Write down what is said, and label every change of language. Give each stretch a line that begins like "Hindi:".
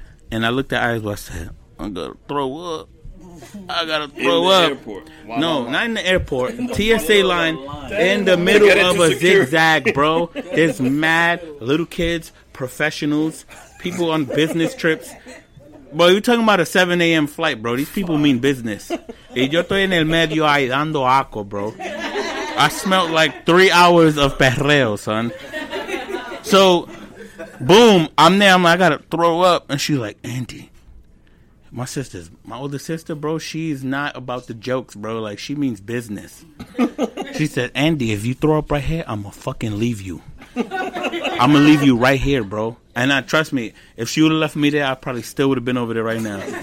English: And I looked at Iris Bell. I said, I'm gonna throw up. I gotta throw in the up. Wow. No, not in the airport. TSA line in the middle of a zigzag, bro. There's mad little kids, professionals, people on business trips. Bro, you're talking about a 7 a.m. flight, bro. These people mean business.
Spanish: Y yo estoy en el medio ahí dando aco, bro.
English: I smelled like 3 hours of perreo, son. So, boom, I'm there. I'm like, I got to throw up. And she's like, Andy, my sister's, my older sister, bro, she's not about the jokes, bro. Like, she means business. She said, Andy, if you throw up right here, I'm going to fucking leave you. I'm going to leave you right here, bro. And I trust me, if she would have left me there, I probably still would have been over there right now.